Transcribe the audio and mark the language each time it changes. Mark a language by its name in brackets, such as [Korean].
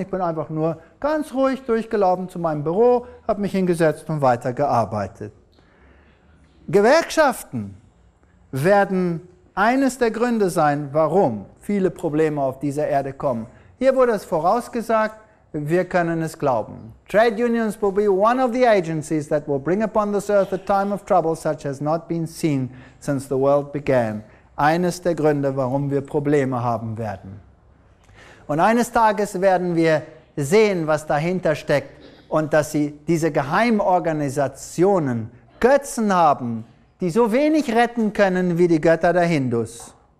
[German] Ich bin einfach nur ganz ruhig durchgelaufen zu meinem Büro, habe mich hingesetzt und weitergearbeitet. Gewerkschaften werden eines der Gründe sein, warum viele Probleme auf dieser Erde kommen. Hier wurde es vorausgesagt, wir können es glauben. [English] Trade unions will be one of the agencies that will bring upon this earth a time of trouble such as not been seen since the world began. [German] Eines der Gründe, warum wir Probleme haben werden. Und eines Tages werden wir sehen, was dahinter steckt und dass sie diese Geheimorganisationen Götzen haben, die so wenig retten können wie die Götter der Hindus.